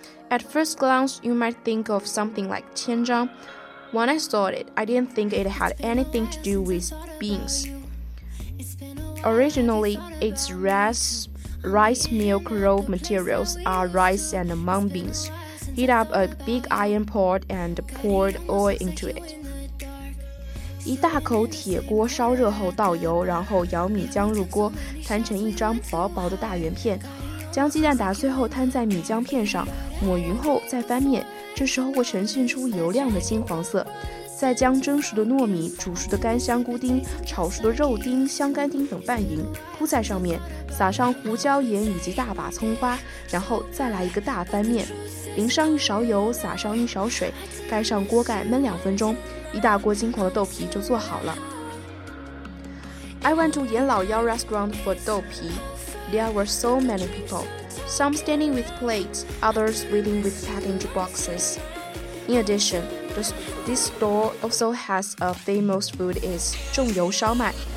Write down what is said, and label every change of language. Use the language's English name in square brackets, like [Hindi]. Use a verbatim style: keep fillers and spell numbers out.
[English] At first glance, you might think of something like 千张. When I saw it, I didn't think it had anything to do with beans. Originally, its rice, rice milk raw materials are rice and mung beans. Heat up a big iron pot and pour oil into it. [Chinese] 一大口铁锅烧热后倒油，然后舀米浆入锅，摊成一张薄薄的大圆片，将鸡蛋打碎后摊在米浆片上，抹匀后再翻面，这时候会呈现出油亮的金黄色。再将蒸熟的糯米、煮熟的干香菇丁、炒熟的肉丁、香干丁等拌匀，铺在上面，撒上胡椒盐以及大把葱花，然后再来一个大翻面，淋上一勺油，撒上一勺水，盖上锅盖焖两分钟，一大锅金黄的豆皮就做好了。 [English] I went to Yanlaoyao restaurant for 豆皮. There were so many people, some standing with plates, others waiting with package boxes. In addition, this store also has a famous food is 重油烧麦.